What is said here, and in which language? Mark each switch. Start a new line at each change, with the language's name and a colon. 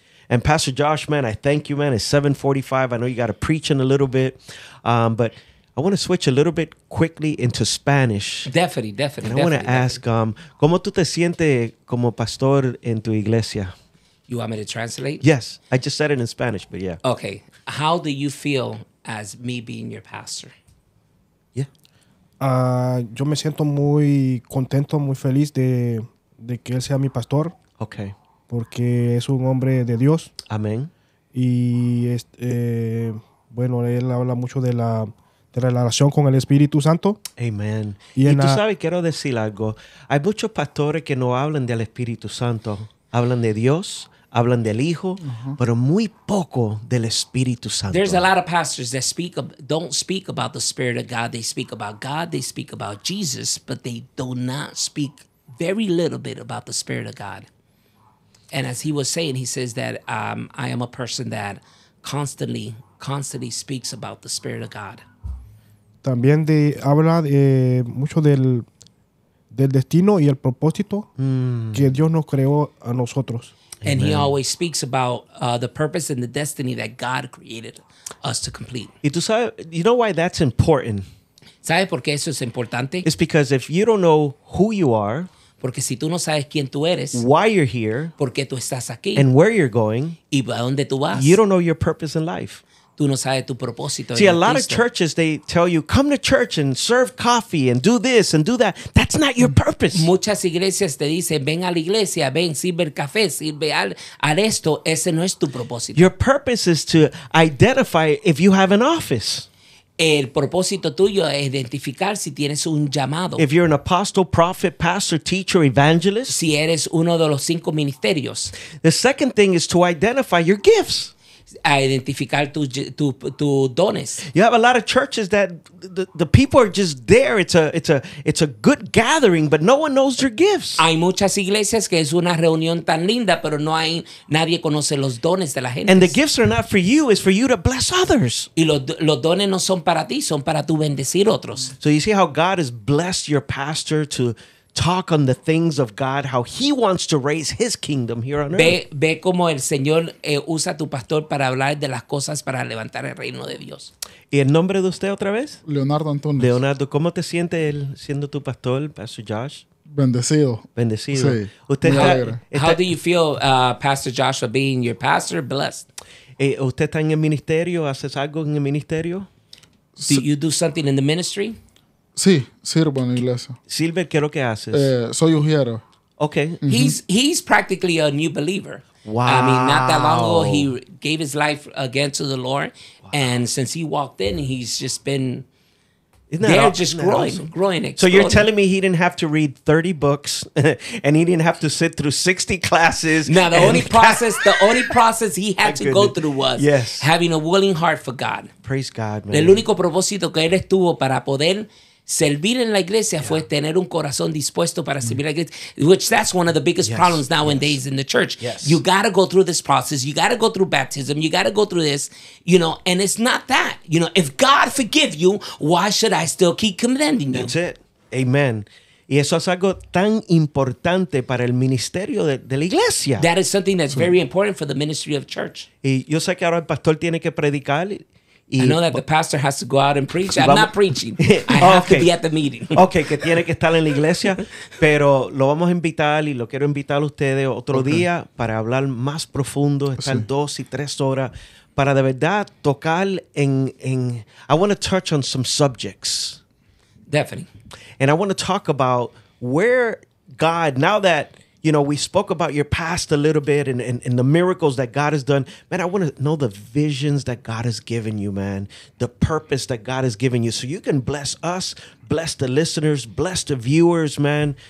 English: And Pastor Josh, man, I thank you, man. It's 7:45. I know you got to preach in a little bit, but I want to switch a little bit quickly into Spanish. Definitely. And I want to ask,
Spanish: ¿cómo tú te sientes como pastor en tu iglesia?
English: You want me to translate? Yes. I just said it in Spanish, but yeah. Okay. How do you feel as me being your pastor? Yeah.
Spanish: Yo me siento muy contento, muy feliz de que él sea mi pastor.
English: Okay.
Spanish: Porque es un hombre de Dios. Amén. Y bueno, él habla mucho de la relación con el Espíritu Santo. Amén. Y tú sabes, quiero decir algo. Hay muchos pastores que no hablan del Espíritu Santo. Hablan de Dios, hablan del Hijo, pero muy poco del Espíritu Santo.
English: There's a lot of pastors that don't speak about the Spirit of God. They speak about God, they speak about Jesus, but they do not speak very little bit about the Spirit of God. And as he was saying, he says that I am a person that constantly speaks about the Spirit of God.
Spanish: También de habla mucho del destino y el propósito que Dios nos creó a nosotros.
English: And Amen. He always speaks about the purpose and the destiny that God created us to complete.
Spanish: Y tú sabes,
English: you know why that's important?
Spanish: ¿Sabe por qué eso es importante?
English: It's because if you don't know who you are,
Spanish: porque si tú no sabes quién tú eres,
English: why you're here,
Spanish: por qué tú estás aquí,
English: and where you're going,
Spanish: y a dónde tú vas,
English: you don't know your purpose in life.
Spanish: Tú no sabes tu propósito.
English: See, a lot Cristo. Of churches, they tell you, come to church and serve coffee and do this and do that. That's not your purpose.
Spanish: Muchas iglesias te dicen, ven a la iglesia, ven, sirve el café, sirve al esto. Ese no es tu propósito.
English: Your purpose is to identify if you have an office.
Spanish: El propósito tuyo es identificar si tienes un llamado.
English: If you're an apostle, prophet, pastor, teacher, evangelist.
Spanish: Si eres uno de los cinco ministerios.
English: The second thing is to identify your gifts.
Spanish: A identificar tu dones.
English: You have a lot of churches that the people are just there. It's a good gathering, but no one knows their gifts.
Spanish: Hay muchas iglesias que es una reunión tan linda, pero no hay nadie conoce los dones de la gente.
English: And the gifts are not for you; it's for you to bless others.
Spanish: Y los dones no son para ti, son para tu bendecir otros.
English: So you see how God has blessed your pastor to talk on the things of God, how he wants to raise his kingdom here on earth.
Spanish: Ve como el Señor usa tu pastor para hablar de las cosas para levantar el reino de Dios. ¿Y el nombre de usted otra vez? Leonardo Antunes. Leonardo, ¿cómo te siente él siendo tu pastor, Pastor Josh? Bendecido. Sí. Usted está,
English: how do you feel, Pastor Joshua, being your pastor? Blessed.
Spanish: ¿Usted está en el ministerio? ¿Haces algo en el ministerio?
English: Do you do something in the ministry?
Spanish: Sí, sirvo en la iglesia. Silver, ¿qué es lo que haces? Soy ujiero.
English: Okay. Mm-hmm. He's practically a new believer. Wow. I mean, not that long ago, he gave his life again to the Lord. Wow. And since he walked in, he's just been growing. So you're telling me he didn't have to read 30 books and he didn't have to sit through 60 classes. Now, the only process he had to go through was having a willing heart for God. Praise God, man.
Spanish: El único propósito que él estuvo para poder servir en la iglesia fue tener un corazón dispuesto para servir a la iglesia,
English: which that's one of the biggest problems nowadays in the church. Yes. You got to go through this process. You got to go through baptism. You got to go through this, you know, and it's not that. You know, if God forgive you, why should I still keep condemning you? That's it. Amen.
Spanish: Y eso es algo tan importante para el ministerio de la iglesia.
English: That is something that's very important for the ministry of church.
Spanish: Y yo sé que ahora el pastor tiene que predicar.
English: I know that the pastor has to go out and preach. I'm not preaching. I have to be at the meeting.
Spanish: Okay, que tiene que estar en la iglesia, pero lo vamos a invitar y lo quiero invitar a ustedes otro día para hablar más profundo, estar dos y tres horas, para de verdad tocar en
English: I want to touch on some subjects. Definitely. And I want to talk about where God, now that, you know, we spoke about your past a little bit and the miracles that God has done. Man, I want to know the visions that God has given you, man. The purpose that God has given you. So you can bless us, bless the listeners, bless the viewers, man.